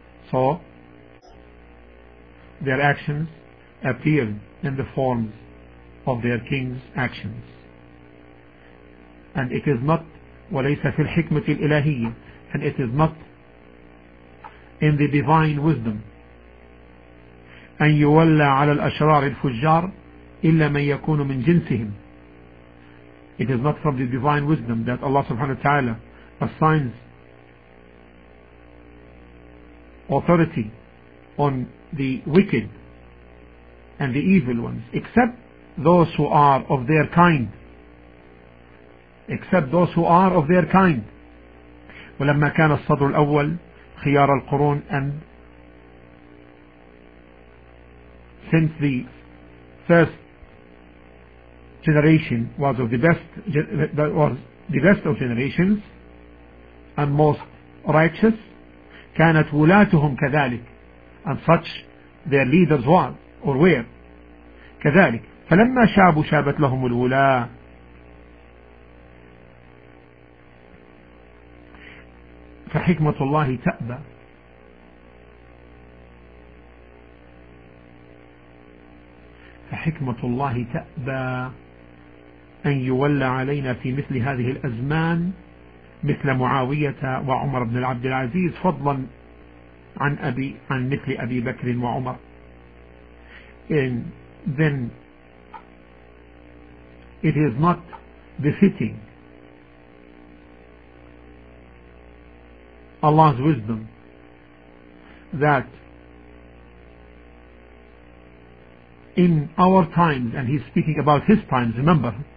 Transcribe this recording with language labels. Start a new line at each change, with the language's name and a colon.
English: So their actions appear in the forms of their kings' actions, and it is not
Arabic: وليس في الحكمة الإلهية.
English: And it is not in the divine wisdom.
Arabic: أن يولى على الأشرار الفجار إلا من يكون من جنسهم.
English: It is not from the divine wisdom that Allah subhanahu wa ta'ala assigns authority on the wicked and the evil ones, except those who are of their kind. Except those who are of their kind.
Arabic: ولما كان الصدر الأول خيار القرون,
English: and since the first generation was of the best, was the best of generations and most righteous,
Arabic: كانت ولاتهم كذلك,
English: and such their leaders were or were
Arabic: كذلك. فلما شابوا شابت لهم الولاة, فحكمة الله تأبى. فحكمة الله تأبى أن يولى علينا في مثل هذه الأزمان مثل معاوية وعمر بن عبد العزيز, فضلا عن أبي عن مثل أبي بكر وعمر.
English: And then it is not befitting Allah's wisdom that in our times, and he's speaking about his times, remember,